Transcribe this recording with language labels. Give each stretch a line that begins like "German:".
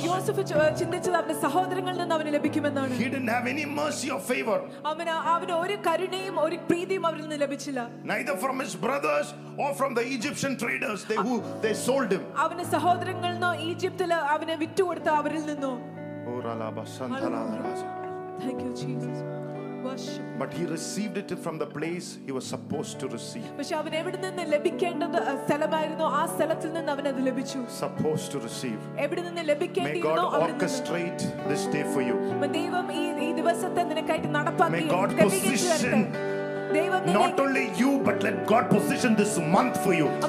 Malayalam: യോസഫ് ചിന്തിച്ചത് അവന്റെ സഹോദരങ്ങളിൽ നിന്ന് അവന് ലഭിക്കുമെന്നാണ്.
English: He didn't have any mercy or favor.
Malayalam: അവന് ഒരു കരുണയും ഒരു പ്രീതിയും അവരിൽ നിന്ന് ലഭിച്ചില്ല.
English: Neither from his brothers or from the Egyptian traders they sold him.
Malayalam: അവന്റെ സഹോദരങ്ങളിൽ നിന്നോ ഈജിപ്തിലെ അവനെ വിറ്റുകൊടുത്ത അവരിൽ നിന്നോ. ഓറലാ ബസന്തലാ.
English: Thank you Jesus. worship. But he received it from the place he was supposed to receive.
Malayalam: പക്ഷേ അവൻ എവിടെ നിന്ന് ലഭിക്കേണ്ടത് സ്ഥലമായിരുന്നു ആ സ്ഥലത്തിൽ നിന്ന് അവൻ അത് ലഭിച്ചു.
English: Supposed to receive.
Malayalam: എവിടെ നിന്ന് ലഭിക്കേണ്ടിരുന്നോ അവൻ.
English: May God orchestrate this day for you.
Malayalam: ദൈവം ഈ ദിവസത്തെ നിനക്കായിട്ട് നടപ്പാക്കി.
English: May God position. Not only you, but let God position this month for you.